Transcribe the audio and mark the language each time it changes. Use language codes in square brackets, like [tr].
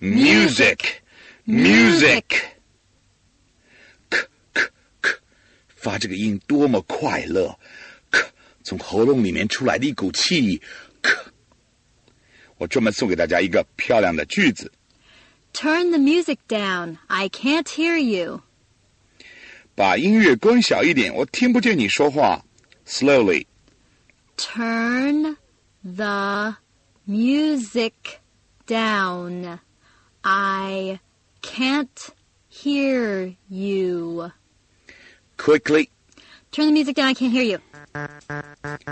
[en] Music. Music. [zh] 发这个音多么快乐，咳，从喉咙里面出来的一股气，咳。我专门送给大家一个漂亮的句子。 [en] Turn the music down, I can't hear you. [zh] 把音乐关小一点，我听不见你说话。 [en] Slowly. Turn the music down, I can't hear you. Quickly. Turn the music down, I can't hear you.